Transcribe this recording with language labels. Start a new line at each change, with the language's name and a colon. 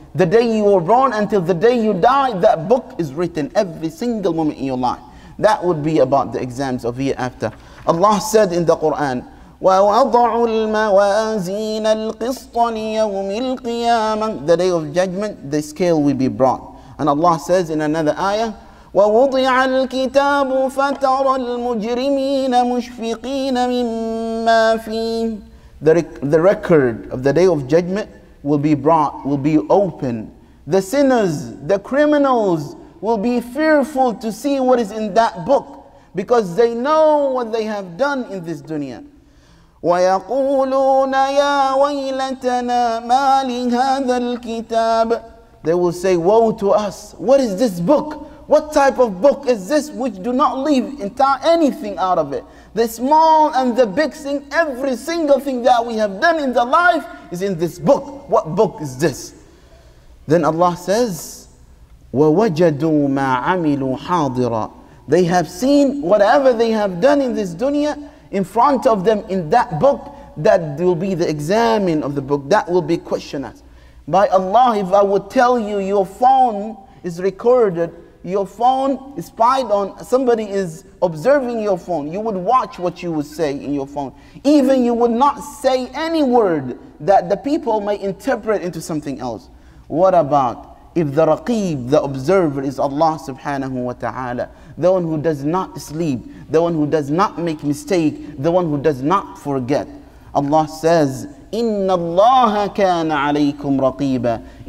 English: The day you were born until the day you die, that book is written every single moment in your life. That would be about the exams of hereafter. Allah said in the Quran,
Arabic: وَوَضَعُ الْمَوَازِينَ الْقِسْطَ لِيَوْمِ الْقِيَامَةِ.
English: The day of judgment, the scale will be brought. And Allah says in another ayah,
Arabic: وَوُضِعَ الْكِتَابُ فَتَرَى الْمُجْرِمِينَ مُشْفِقِينَ مِمَّا فِيهِ.
English: The record of the day of judgment will be brought, will be open. The sinners, the criminals will be fearful to see what is in that book because they know what they have done in this dunya.
Arabic: وَيَقُولُونَ يَا وَيْلَتَنَا مَا لِهَذَا الْكِتَابِ.
English: They will say, woe to us, what is this book? What type of book is this which do not leave anything out of it? The small and the big thing, every single thing that we have done in the life is in this book. What book is this? Then Allah says,
Arabic: وَوَجَدُوا مَا عَمِلُوا حَاضِرًا.
English: They have seen whatever they have done in this dunya in front of them in that book, that will be the examine of the book. That will be questioned. By Allah, if I would tell you your phone is recorded, your phone is spied on, somebody is observing your phone, you would watch what you would say in your phone. Even you would not say any word that the people may interpret into something else. What about if the raqib, the observer, is Allah subhanahu wa ta'ala, the one who does not sleep, the one who does not make mistake, the one who does not forget. Allah says,
Arabic: إِنَّ اللَّهَ كَانَ عَلَيْكُمْ رَقِيبًا.